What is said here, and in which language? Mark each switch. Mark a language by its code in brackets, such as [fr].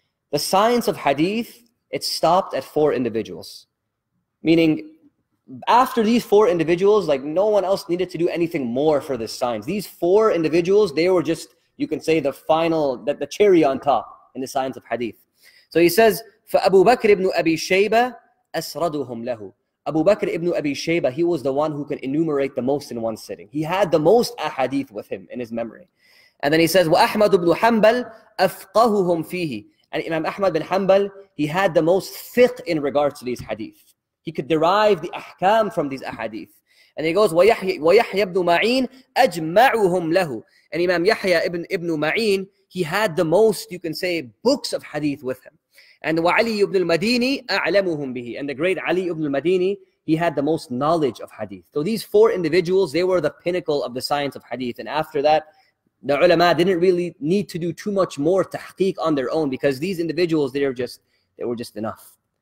[en] The science of hadith, it stopped at four individuals. Meaning, after these four individuals, like no one else needed to do anything more for this science. These four individuals, they were just, you can say, the final, that the cherry on top in the science of hadith. [ar] So he says, فَأَبُو بَكْرِ ابْنُ أَبِي شَيْبَ أَسْرَدُهُمْ لَهُ. [en] Abu Bakr ibn Abi Shayba, he was the one who can enumerate the most in one sitting. He had the most ahadith with him in his memory. [ar] And then he says, وَأَحْمَدُ بْنُ حَنْبَلْ أَفْقَهُهُمْ فِيهِ. [en] And Imam Ahmad bin Hanbal, he had the most fiqh in regards to these hadith. He could derive the ahkam from these ahadith. [ar] And he goes, وَيَحْيَ بْنُ مَعِينَ أَجْمَعُهُمْ لَهُ. [en] And Imam Yahya ibn Ma'in, he had the most, you can say, books of hadith with him. And وَعَلِي ibn al-Madini أَعْلَمُهُمْ بِهِ. And the great Ali ibn al-Madini, he had the most knowledge of hadith. So these four individuals, they were the pinnacle of the science of hadith. And after that, the ulama didn't really need to do too much more tahqiq on their own, because these individuals, they were just enough.